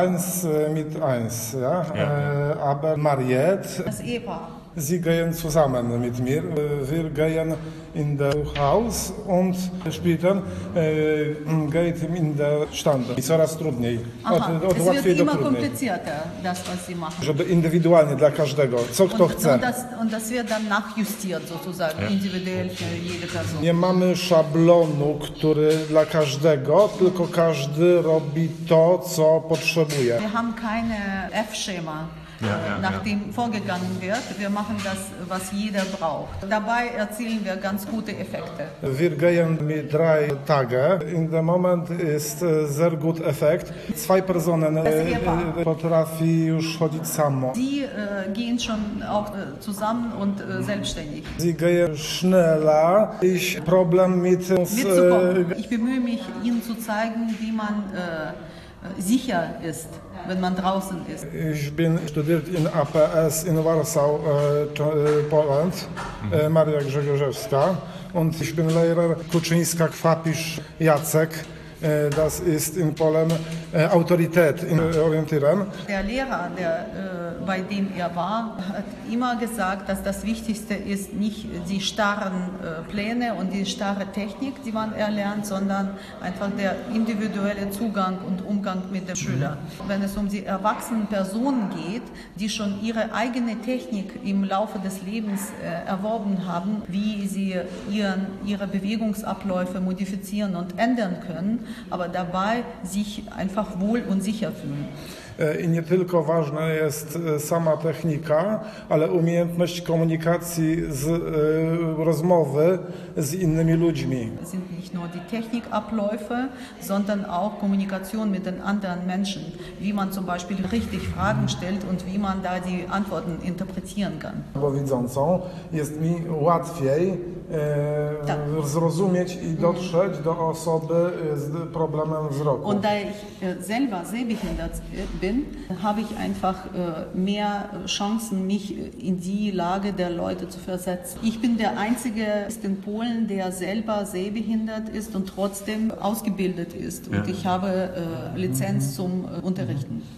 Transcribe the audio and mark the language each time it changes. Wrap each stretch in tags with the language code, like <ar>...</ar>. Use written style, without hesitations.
<de>Eins mit eins, ja. Ja. Aber Mariette, das Ehepaar, sie gehen zusammen mit mir. Wir gehen in das Haus und später geht in den Stand. Es wird immer komplizierter, das, was sie machen.</de> <pl>Żeby indywidualnie dla każdego, co kto chce.</pl> <de>Und das wird dann nachjustiert, sozusagen, ja, individuell für jede Person.</de> <pl>Nie mamy szablonu, który dla każdego, tylko każdy robi to, co potrzebuje.</pl> <de>Wir haben keine F-Schema. Nachdem vorgegangen wird, wir machen das, was jeder braucht. Dabei erzielen wir ganz gute Effekte. Wir gehen mit 3 Tage. In dem Moment ist sehr gut Effekt. 2 Personen</de> <pl>potrafi już chodzić samo.</pl> <de>Sie gehen schon auch zusammen und selbstständig. Sie gehen schneller. Ich Problem mit mitzukommen. Ich bemühe mich, Ihnen zu zeigen, wie man sicher ist, wenn man draußen ist. Ich bin studiert in APS in Warsaw, Poland, Maria Grzegorzewska, und ich bin Lehrer Kuczyńska Kwapisz Jacek, das ist in Polen Autorität in Orientieren. Der Lehrer, der, bei dem er war, hat immer gesagt, dass das Wichtigste ist, nicht die starren Pläne und die starre Technik, die man erlernt, sondern einfach der individuelle Zugang und Umgang mit dem Schüler. Wenn es um die erwachsenen Personen geht, die schon ihre eigene Technik im Laufe des Lebens erworben haben, wie sie ihre Bewegungsabläufe modifizieren und ändern können, aber dabei sich einfach wohl und sicher fühlen.</de> <pl>I nie tylko ważna jest sama technika, ale umiejętność komunikacji, z rozmowy z innymi ludźmi.</pl> <de>Sind nicht nur die Technikabläufe, sondern auch Kommunikation mit den anderen Menschen, wie man zum Beispiel richtig Fragen stellt und wie man da die Antworten interpretieren kann.</de> <pl>Bo widzącą jest mi łatwiej zrozumieć i dotrzeć do osoby z problemem wzroku.</pl> <de>Und da ich selber sehbehindert bin, habe ich einfach mehr Chancen, mich in die Lage der Leute zu versetzen. Ich bin der Einzige in Polen, der selber sehbehindert ist und trotzdem ausgebildet ist. Und ja, ich habe Lizenz zum Unterrichten.</de>